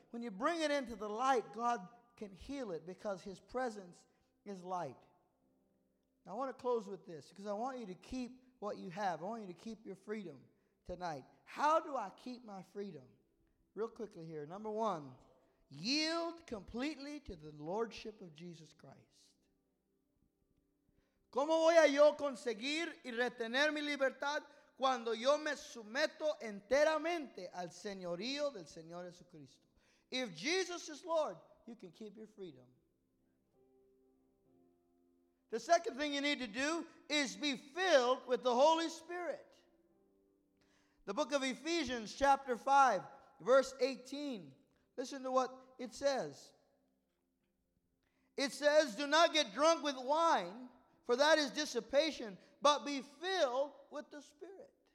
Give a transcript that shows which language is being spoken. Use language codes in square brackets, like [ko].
[en] When you bring it into the light, God can heal it because his presence is light. Now, I want to close with this because I want you to keep what you have. I want you to keep your freedom tonight. How do I keep my freedom? Real quickly here. Number one, yield completely to the Lordship of Jesus Christ. [es] ¿Cómo voy a yo conseguir y retener mi libertad? Cuando yo me someto enteramente al señorío del Señor Jesucristo. [en] If Jesus is Lord, you can keep your freedom. The second thing you need to do is be filled with the Holy Spirit. The book of Ephesians chapter 5, verse 18. Listen to what it says. It says, "Do not get drunk with wine, for that is dissipation, but be filled with the Spirit."